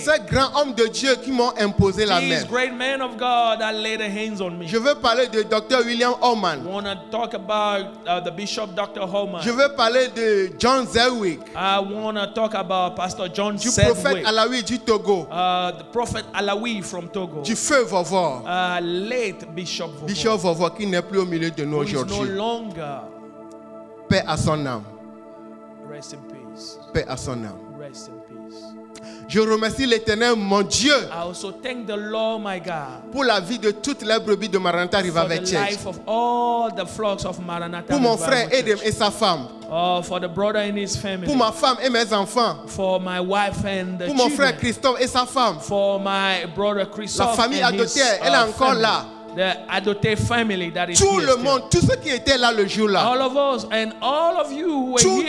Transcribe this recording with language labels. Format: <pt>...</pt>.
<fr>Ces grands hommes de Dieu qui m'ont imposé la main.</fr> <en>These great men of God that laid their hands on me.</en> <fr>Je veux parler de Dr. William Holman.</fr> <en>I want to talk about the Bishop Dr. Holman.</en> <fr>Je veux parler de John Zewick.</fr> <en>I want to talk about Pastor John Zewick.</en> <fr>Du prophète Alawi du Togo.</fr> <en>The prophet Alawi from Togo.</en> <fr>Du feu Vovo.</fr> <en>Late Bishop Vovo.</en> <fr>Bishop Vovo qui n'est plus au milieu de nous aujourd'hui.</fr> <en>No longer.</en> <fr>Paix à son âme.</fr> <en>Rest in peace.</en> <fr>Paix à son âme.</fr> <en>Rest in peace.</en> <fr>Je remercie l'Éternel mon Dieu.</fr> <en>I also thank the Lord my God.</en> <fr>Pour la vie de toutes les brebis de Maranatha River Church.</fr> <en>For the life of all the flocks of Maranatha.</en> <fr>Pour mon frère Edem et sa femme.</fr> <en>For the brother and his family.</en> <fr>Pour ma femme et mes enfants.</fr> <en>For my wife and the</en> <fr>pour mon frère Christophe et sa femme.</fr> <en>For my brother Christophe.</en> <fr>La famille adoptée, elle est encore là.</fr> <en>The adopted family that is</en> <fr>tout</fr> <en>here</en> <fr>le monde,</fr> <en>still.</en> <fr>Tous ceux qui étaient là le jour là.</fr> <en>All of us and all of you who were</en>